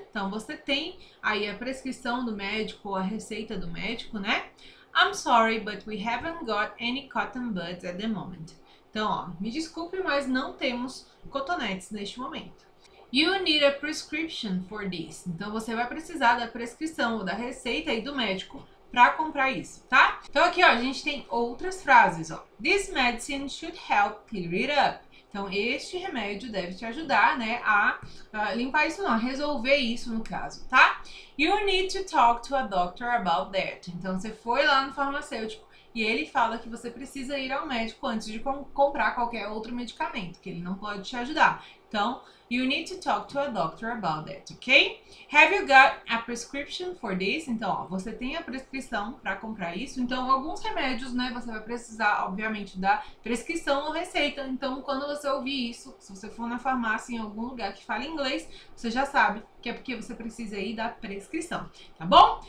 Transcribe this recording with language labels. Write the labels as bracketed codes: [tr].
[pt] Então você tem aí a prescrição do médico ou a receita do médico, né? [en] I'm sorry, but we haven't got any cotton buds at the moment. [pt] Então, ó, me desculpe, mas não temos cotonetes neste momento. [en] You need a prescription for this. [pt] Então, você vai precisar da prescrição ou da receita aí do médico para comprar isso, tá? Então, aqui, ó, a gente tem outras frases, ó. [en] This medicine should help clear it up. [pt] Então, este remédio deve te ajudar, né, a limpar isso, não, a resolver isso no caso, tá? [en] You need to talk to a doctor about that. [pt] Então, você foi lá no farmacêutico e ele fala que você precisa ir ao médico antes de comprar qualquer outro medicamento, que ele não pode te ajudar. [en] Então, you need to talk to a doctor about that, ok? Have you got a prescription for this? [pt] Então, ó, você tem a prescrição para comprar isso? Então, alguns remédios, né, você vai precisar, obviamente, da prescrição ou receita. Então, quando você ouvir isso, se você for na farmácia em algum lugar que fala inglês, você já sabe que é porque você precisa aí da prescrição, tá bom?